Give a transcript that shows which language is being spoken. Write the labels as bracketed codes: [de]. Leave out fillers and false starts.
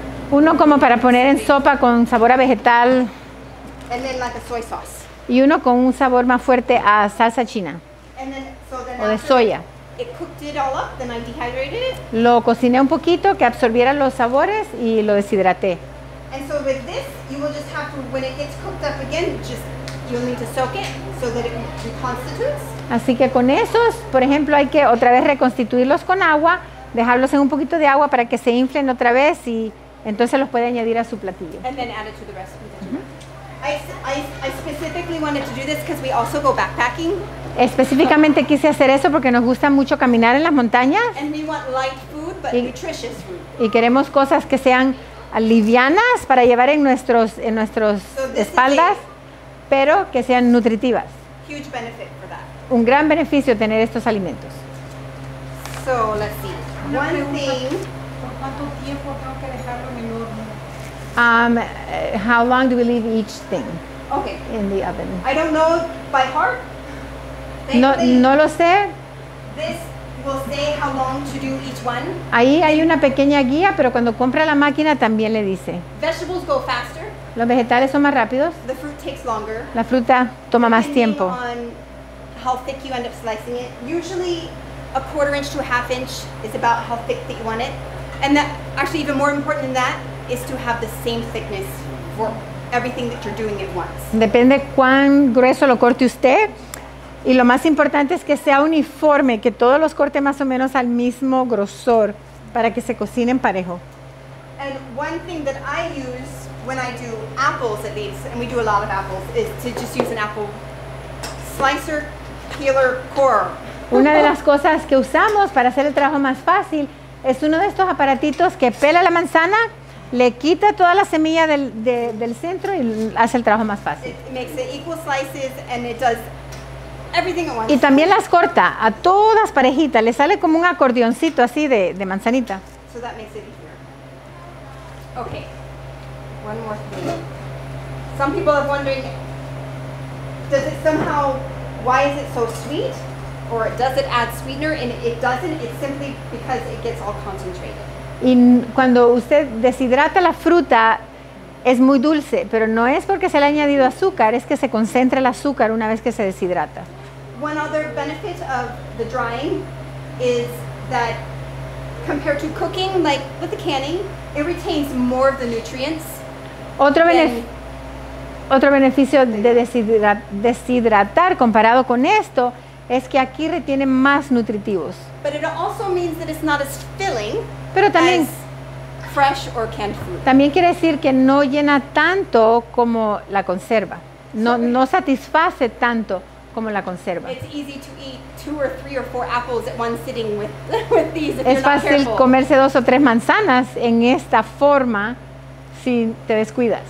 [es] Uno como para poner en sopa con sabor a vegetal. [en] And then like a soy sauce. [es] Y uno con un sabor más fuerte a salsa china. [en] And then, so then [es] o de soya. [en] It cooked it all up, then I dehydrated it. [es] Lo cociné un poquito, que absorbiera los sabores y lo deshidraté. [en] And so with this, you will just have to, when it gets cooked up again, you'll need to soak it so that it reconstitutes. [es] Así que con esos, por ejemplo, hay que otra vez reconstituirlos con agua. Dejarlos en un poquito de agua para que se inflen otra vez y entonces los puede añadir a su platillo. [en] And then add it to the recipe. I specifically wanted to do this because we also go backpacking. [es] Específicamente quise hacer eso porque nos gusta mucho caminar en las montañas. [en] And we want light food, but nutritious food. [es] Y queremos cosas que sean livianas para llevar en nuestros espaldas, pero que sean nutritivas. [en] Huge benefit for that. [es] Un gran beneficio tener estos alimentos. [en] So, let's see. [es] ¿Por cuánto tiempo tengo que dejarlo en el horno? [en] How long do we leave each thing? Okay. In the oven. I don't know by heart. [es] No lo sé. [en] This will say how long to do each one. [es] Ahí hay una pequeña guía, pero cuando compra la máquina también le dice. [en] Vegetables go faster. [es] Los vegetales son más rápidos. [en] The fruit takes longer. [es] La fruta toma más tiempo. [en] Depending on how thick you end up slicing it. Usually a quarter inch to a half inch is about how thick that you want it. And that actually even more important than that is to have the same thickness for everything that you're doing at once. [es] Depende cuán grueso lo corte usted. Y lo más importante es que sea uniforme, que todos los corte más o menos al mismo grosor para que se cocinen parejo. [en] And one thing that I use when I do apples at least, and we do a lot of apples, is to just use an apple slicer, peeler, core. [es] Una de las cosas que usamos para hacer el trabajo más fácil es uno de estos aparatitos que pela la manzana, le quita toda la semilla del centro y hace el trabajo más fácil. [en] It makes it equal slices and it does everything at once. [es] Y también las corta a todas parejitas, le sale como un acordeoncito así de manzanita. [en] So that makes it easier. Okay. One more thing. Some people are wondering, does it somehow, why is it so sweet? Or does it add sweetener? And it doesn't. It's simply because it gets all concentrated. [es] Y cuando usted deshidrata la fruta, es muy dulce, pero no es porque se le ha añadido azúcar, es que se concentra el azúcar una vez que se deshidrata. [en] One other benefit of the drying is that compared to cooking, like with the canning, it retains more of the nutrients. [es] Otro beneficio de deshidratar comparado con esto es que aquí retiene más nutritivos. [en] But it also means that it's not as filling. [es] Pero también, [en] as fresh or canned food. [es] También quiere decir que no llena tanto como la conserva. No satisface tanto como la conserva. [en] It's easy to eat two or three or four apples at one sitting with these if [es] es [en] you're not [es] Es fácil [en] careful. [es] Comerse dos o tres manzanas en esta forma si te descuidas.